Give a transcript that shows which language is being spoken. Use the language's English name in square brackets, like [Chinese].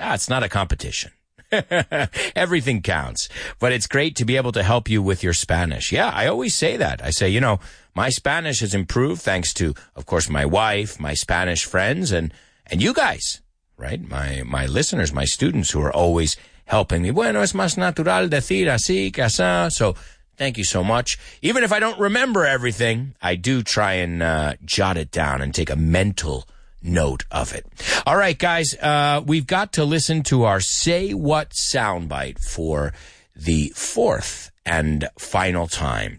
[English] It's not a competition. Everything counts, but it's great to be able to help you with your Spanish. Yeah, I always say that. I say, you know, my Spanish has improved thanks to, of course, my wife, my Spanish friends, and you guys, right? My listeners, my students who are always helping me. [Spanish] Bueno, es más natural decir así que así. [English] So thank you so much. Even if I don't remember everything, I do try and jot it down and take a mental note of it. All right, guys, we've got to listen to our Say What soundbite for the fourth and final time.